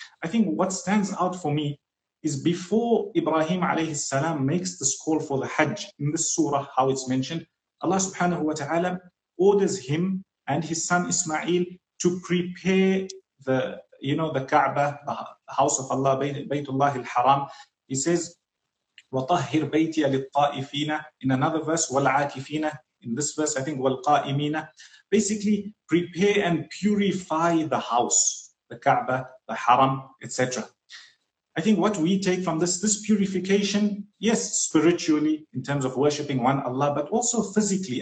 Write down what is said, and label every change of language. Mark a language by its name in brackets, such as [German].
[English] I think what stands out for me is before Ibrahim alayhi salam makes this call for the Hajj, in this surah, how it's mentioned, Allah subhanahu wa ta'ala orders him and his son Ismail to prepare the, you know, the Kaaba, the house of Allah, Baytullah al-Haram. He says, [Arabic] وَطَهِّرْ بَيْتِيَ لِلطَّائِفِينَ. [English] In another verse, [Arabic] وَالْعَاكِفِينَ. [English] In this verse, I think, [Arabic] وَالْقَائِمِينَ. [English] Basically, prepare and purify the house, the Kaaba, the Haram, etc. I think what we take from this purification, yes, spiritually, in terms of worshipping one Allah, but also physically.